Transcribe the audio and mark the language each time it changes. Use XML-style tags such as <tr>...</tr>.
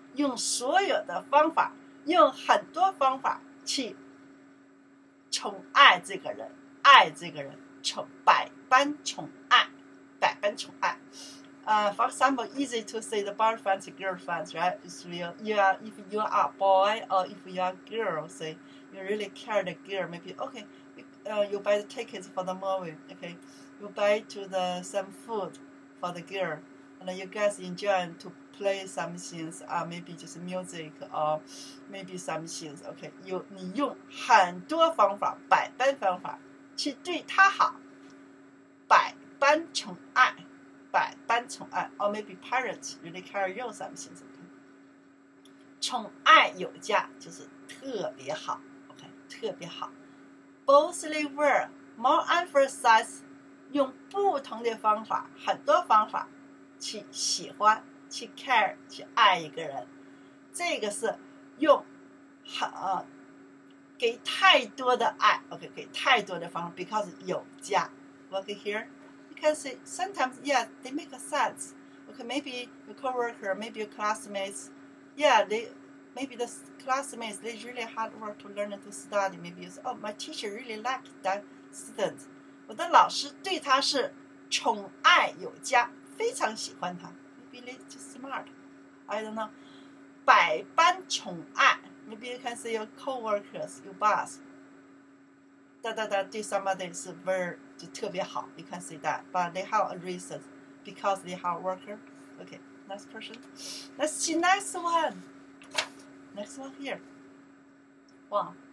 <zh>用所有的方法，用很多方法去宠爱这个人，爱这个人，宠百般宠爱，百般宠爱。</zh> <en>For example, easy to say the boyfriend to girlfriend, right? It's real. Yeah, if you are a boy or if you are a girl, say you really care the girl, maybe, okay, you buy the tickets for the movie, okay? You buy to the some food for the girl, and then you guys enjoy to play some things, maybe just music or maybe some things, okay?</en> <zh>你用很多方法，百般方法去对她好，百般宠爱。百般宠爱</zh> <en>or maybe parents really care you something, okay?</en> <zh>宠爱有加就是特别好 okay? 特别好</zh> <en>Mostly were more emphasized</en> <zh>用不同的方法很多方法去喜欢去 care 去爱一个人这个是用给太多的爱 okay? 给太多的方法</zh> <en>because 有加 look here Because sometimes, yeah, they make a sense. Okay, maybe your coworker, maybe your classmates, yeah, maybe the classmates, they really hard work to learn and to study. Maybe you say, oh, my teacher really liked that student.</en> <zh>我的老师对他是宠爱有加，非常喜欢他。</zh> <en>Maybe they're too smart. I don't know.</en> <zh>百般宠爱。</zh> <en>Maybe you can say your coworkers, your boss. Da da da, do somebody is very.</en> <zh>就特别好</zh> <en>you can see that but they have a reason because they have a worker okay next person let's see next one here wow</en>